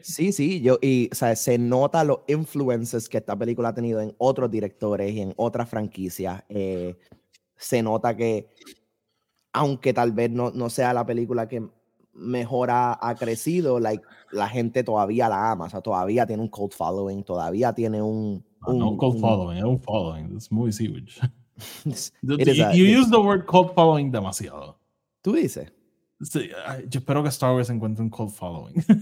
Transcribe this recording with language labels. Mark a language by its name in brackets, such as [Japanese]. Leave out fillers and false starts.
[Spanish] Sí, sí, yo, y o sea, se nota los influences que esta película ha tenido en otros directores y en otras franquicias. Se nota que, aunque tal vez no sea la película que mejor ha crecido, like, la gente todavía la ama, o sea, todavía tiene un cult following, todavía tiene un... [English] No, un cult following, this movie is huge. You use the word cult following demasiado. [Spanish] Tú dices... Sí, yo espero que Star Wars encuentre un cult following.